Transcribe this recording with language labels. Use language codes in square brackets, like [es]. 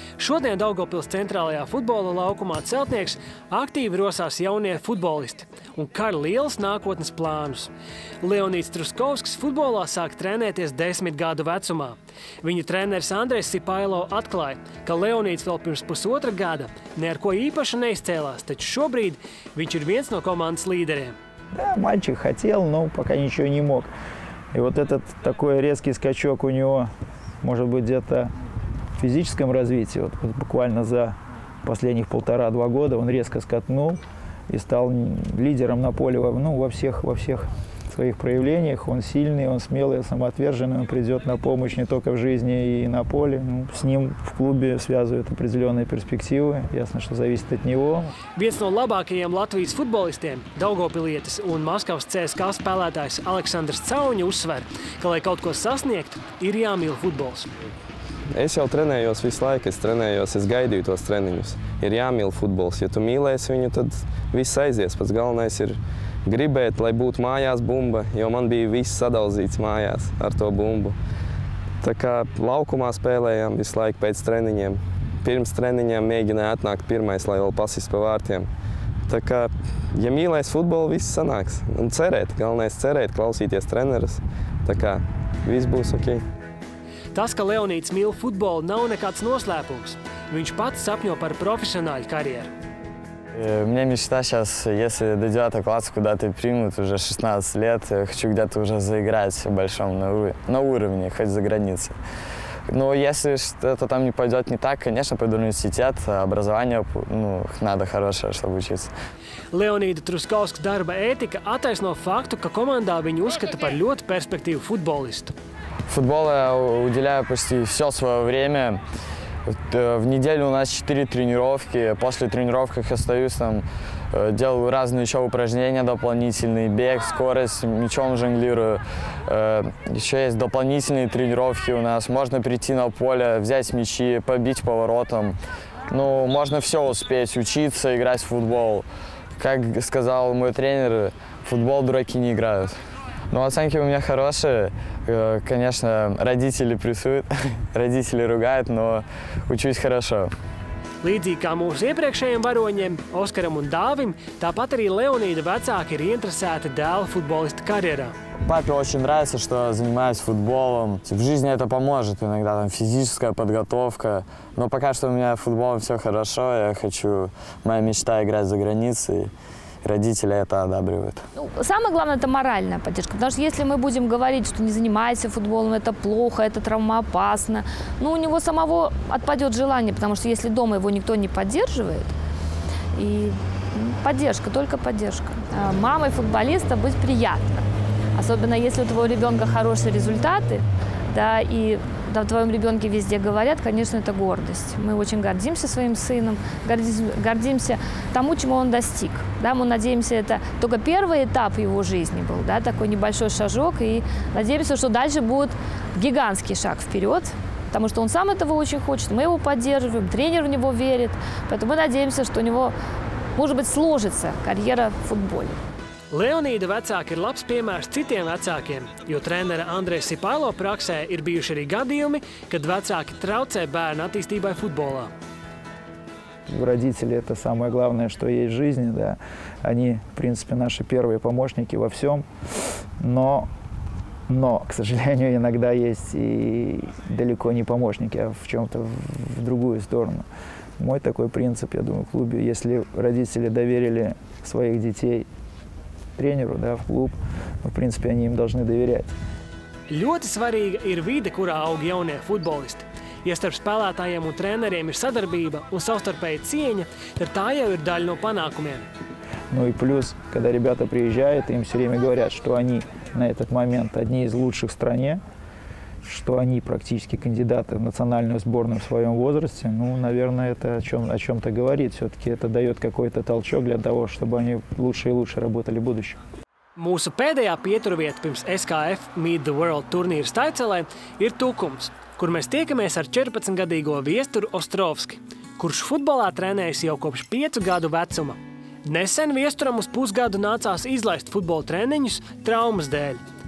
[lv] Šodien Daugavpils centrālajā futbola laukumā celtnieks aktīvi rosās jaunie futbolisti un kar liels nākotnes plānus. Leonīds Truskovskis futbolā sāk trenēties 10 gadu vecumā. Viņa treneris Andrejs Sipailo atklāja, ka Leonīds vēl pirms pusotra gada ne ar ko īpaši neizcēlās, taču šobrīd viņš ir viens no komandas līderiem. [ru] Да, мальчик хотел, но пока ничего не мог. И вот этот такой резкий скачок у него, может быть, где-то в физическом развитии, вот буквально за последних полтора-два года он резко скатнул и стал лидером на поле, ну, во всех своих проявлениях. Он сильный, он смелый, самоотверженный, он придет на помощь не только в жизни и на поле. Ну, с ним в клубе связывают определенные перспективы, ясно, что зависит от него. [lv] Viens no labākajiem Latvijas futbolistiem, Daugavpilietis un Maskavas CSKA spēlētājs Aleksandrs Cauņi uzsver, ka, lai kaut ko sasniegt, ir jāmīl futbols. Es jau trenējos visu laiku, es gaidīju tos treniņus. Ir jāmīl futbols, ja tu mīlēsi viņu, tad viss aizies, pats galvenais ir gribēt, lai būtu mājās bumba, jo man bija viss sadauzīts mājās ar to bumbu. Tā kā laukumā spēlējām visu laiku pēc treniņiem. Pirms treniņiem mēģināja atnākt pirmais, lai vēl pasistu pa vārtiem. Tā kā, ja mīlēs futbolu, viss sanāks. Un cerēt, galvenais cerēt, klausīties trenerus. Tā kā, viss būs ok. Tas, ka Leonīds mīl futbolu, nav nekāds noslēpums. Viņš pats sapņo par profesionāļu karjeru. [ru] Мне мечта сейчас, если до 9 класса куда-то примут, уже 16 лет, хочу где-то уже заиграть в большом на уровне, хоть за границей. Но если что-то там не пойдет не так, конечно, пойду в университет, образование ну, надо хорошее, чтобы учиться. Леонида Трусковска дарба этика атайсно факту, как команда обвиню ускать по лед перспективу футболиста. Футбол я уделяю почти все свое время. В неделю у нас 4 тренировки. После тренировки я остаюсь там, делаю разные еще упражнения дополнительные. Бег, скорость, мячом жонглирую. Еще есть дополнительные тренировки у нас. Можно прийти на поле, взять мячи, побить поворотом. Ну, можно все успеть, учиться, играть в футбол. Как сказал мой тренер, в футбол дураки не играют. Ну, оценки у меня хорошие. Конечно, родители прессуют, родители ругают, но учусь хорошо. [lv] Līdzīgi kā mūsu iepriekšējiem varoņiem, Oskaram un Dāvim, tāpat arī Leonīda vecāki ir interesēti dēla futbolista karjerā. [ru] Papi очень нравится, что занимаюсь футболом. В жизни это поможет, иногда там физическая подготовка. Но пока что у меня футболом все хорошо, я хочу, моя мечта играть за границей. Родители это одобривают. Ну, самое главное – это моральная поддержка. Потому что если мы будем говорить, что не занимайся футболом, это плохо, это травмоопасно, ну, у него самого отпадет желание, потому что если дома его никто не поддерживает, и поддержка, только поддержка. Мамой футболиста быть приятно. Особенно если у твоего ребенка хорошие результаты, да, и да, в твоем ребенке везде говорят, конечно, это гордость. Мы очень гордимся своим сыном, гордимся тому, чему он достиг. Да, мы надеемся, это только первый этап его жизни был, да, такой небольшой шажок, и надеемся, что дальше будет гигантский шаг вперед, потому что он сам этого очень хочет, мы его поддерживаем, тренер в него верит, поэтому мы надеемся, что у него, может быть, сложится карьера в футболе. [lv] Leonīda vecāki ir labs piemērs citiem vecākiem, jo trenera Andreja Sipailo praksē ir bijuši arī gadījumi, kad vecāki traucē bērnu attīstībai futbolā. [ru] Родители – это самое главное, что есть в жизни. Да. Они, в принципе, наши первые помощники во всем. Но, к сожалению, иногда есть и далеко не помощники, а в чем-то в другую сторону. Мой такой принцип, я думаю, в клубе, если родители доверили своих детей, treneru, da, в клуб. Но, в принципе, они им должны доверять. [lv] Ļoti svarīga ir vide, kurā aug jaunie futbolisti. Ja starp spēlētājiem un treneriem ir sadarbība un savstarpēja cieņa, tad tā jau ir daļa no panākumiem. [ru] Ну и плюс, когда ребята приезжают, им все время говорят, что они на этот момент одни из лучших в стране, что они практически кандидаты в национальную сборную в своем возрасте. Ну, наверное, это о чем-то говорит. Все-таки это дает какой-то толчок для того, чтобы они лучше и лучше работали в будущем. [lv] Mūsu pēdējā pieturvieta pirms SKF Meet the World turnīra Staicelē ir Tukums, kur mēs tiekamies ar 14-gadīgo Viesturu Ostrovski, kurš futbolā trenējas jau kopš 5 gadu vecuma. Nesen Viesturam uz pusgadu nācās izlaist futbola treniņus traumas dēļ.